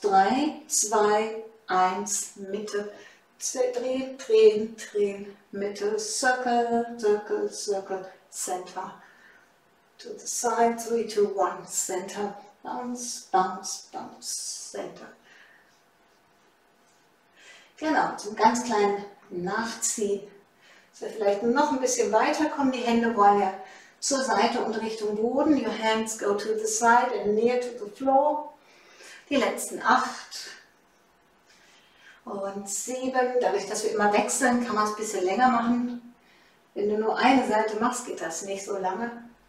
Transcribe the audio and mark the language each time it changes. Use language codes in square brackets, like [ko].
[en] 3, 2, 1, [de] Mitte, drehen, drehen, drehen, Mitte, [en] circle, circle, circle, center, to the side, 3, 2, 1, center, bounce, bounce, bounce, center. [de] Genau, zum ganz kleinen Nachziehen. So, vielleicht noch ein bisschen weiter kommen. Die Hände wollen ja zur Seite und Richtung Boden. [en] Your hands go to the side and near to the floor. [de] Die letzten 8 und 7. Dadurch, dass wir immer wechseln, kann man es ein bisschen länger machen. Wenn du nur eine Seite machst, geht das nicht so lange.